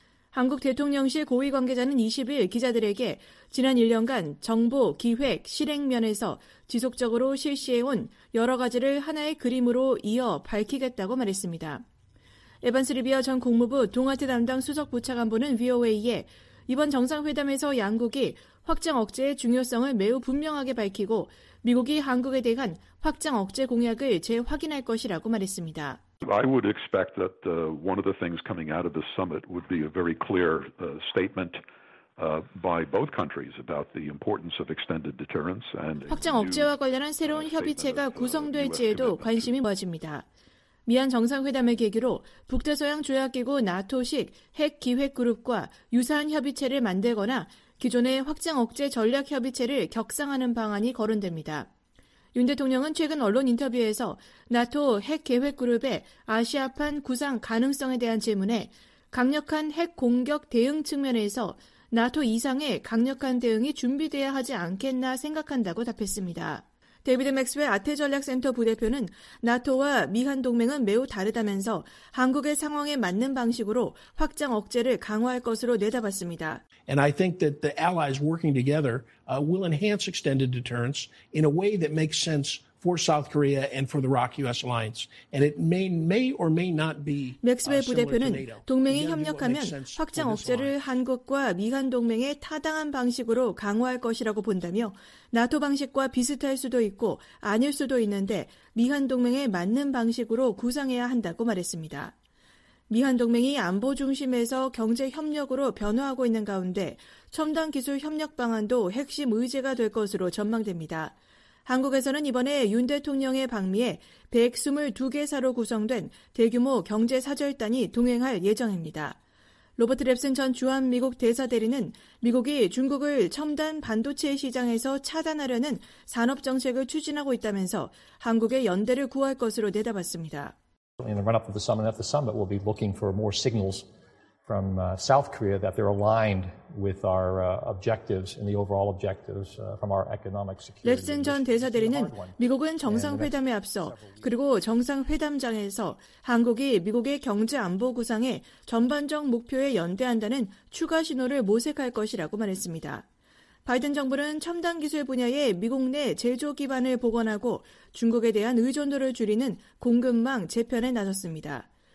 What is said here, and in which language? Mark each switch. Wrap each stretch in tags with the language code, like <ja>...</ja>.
<ko>한국 대통령실 고위 관계자는 20일 기자들에게 지난 1년간 정보, 기획, 실행 면에서 지속적으로 실시해온 여러 가지를 하나의 그림으로 이어 밝히겠다고 말했습니다. 에반스 리비어 전 국무부 동아태 담당 수석부차관보는 VOA에 이번 정상회담에서 양국이 확장 억제의 중요성을 매우 분명하게 밝히고 미국이 한국에 대한 확장 억제 공약을 재확인할 것이라고 말했습니다.</ko> <en>I would expect that one of the things coming out of the summit would be a very clear statement by both countries about the importance of extended deterrence and</en> <ko>확장 억제와 관련한 새로운 협의체가 구성될지에도 관심이 모아집니다. 미한 정상회담을 계기로 북대서양 조약기구 나토식 핵 기획 그룹과 유사한 협의체를 만들거나 기존의 확장 억제 전략 협의체를 격상하는 방안이 거론됩니다. 윤 대통령은 최근 언론 인터뷰에서 나토 핵 계획 그룹의 아시아판 구상 가능성에 대한 질문에 강력한 핵 공격 대응 측면에서 나토 이상의 강력한 대응이 준비되어야 하지 않겠나 생각한다고 답했습니다. 데이비드 맥스웰 아태전략센터 부대표는 나토와 미한 동맹은 매우 다르다면서 한국의 상황에 맞는 방식으로 확장 억제를 강화할 것으로 내다봤습니다.</ko> <en>And I think that the allies working together will enhance extended deterrence in a way that makes sense for South Korea and for the ROK-US alliance. And it may or may not be.</en> <ko>맥스웰 부대표는 동맹이 협력하면 확장 억제를 한국과 미한 동맹의 타당한 방식으로 강화할 것이라고 본다며 나토 방식과 비슷할 수도 있고 아닐 수도 있는데 미한 동맹에 맞는 방식으로 구상해야 한다고 말했습니다. 미한 동맹이 안보 중심에서 경제 협력으로 변화하고 있는 가운데 첨단 기술 협력 방안도 핵심 의제가 될 것으로 전망됩니다. 한국에서는 이번에 윤 대통령의 방미에 122개 사로 구성된 대규모 경제사절단이 동행할 예정입니다. 로버트 랩슨 전 주한미국 대사대리는 미국이 중국을 첨단 반도체 시장에서 차단하려는 산업정책을 추진하고 있다면서 한국의 연대를 구할 것으로 내다봤습니다.</ko> <en>In the run-up of the summit, at the summit, we'll be looking for more signals from South Korea that they're aligned with our objectives and the overall objectives from our economic security.</en> <ko>랩슨 전 대사대리는 미국은 정상회담에 앞서 그리고 정상회담장에서 한국이 미국의 경제 안보 구상에 전반적 목표에 연대한다는 추가 신호를 모색할 것이라고 말했습니다. 바이든 정부는 첨단 기술 분야의 미국 내 제조 기반을 복원하고 중국에 대한 의존도를 줄이는 공급망 재편에 나섰습니다.</ko>